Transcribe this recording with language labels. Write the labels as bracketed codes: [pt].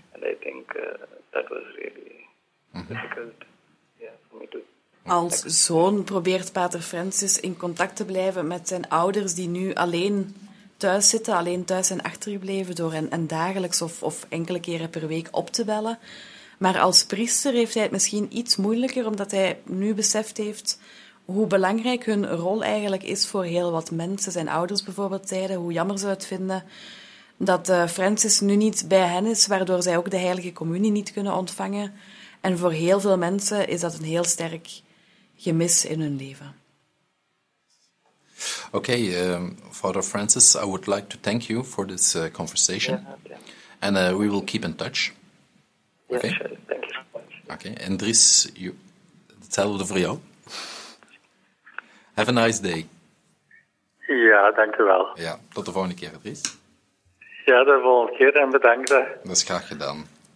[en] And I think that was really difficult for me to. [nl] Als zoon probeert Pater Francis in contact te blijven met zijn ouders die nu alleen thuis zitten, alleen thuis en achtergebleven door en dagelijks of enkele keren per week op te bellen. Maar als priester heeft hij het misschien iets moeilijker, omdat hij nu beseft heeft hoe belangrijk hun rol eigenlijk is voor heel wat mensen. Zijn ouders bijvoorbeeld zeiden hoe jammer ze het vinden dat Francis nu niet bij hen is, waardoor zij ook de Heilige Communie niet kunnen ontvangen. En voor heel veel mensen is dat een heel sterk gemis in hun leven. [en] Okay, Father Francis, I would like to thank you for this conversation. Yeah. And we will keep in touch. Yeah, okay. Sure. Thank you so much. [nl] Okay, Dries, hetzelfde voor jou. [en] Have a nice day. [nl] Ja, dankjewel. Ja, tot de volgende keer, Dries. Ja, de volgende keer en bedankt. Dat is graag gedaan.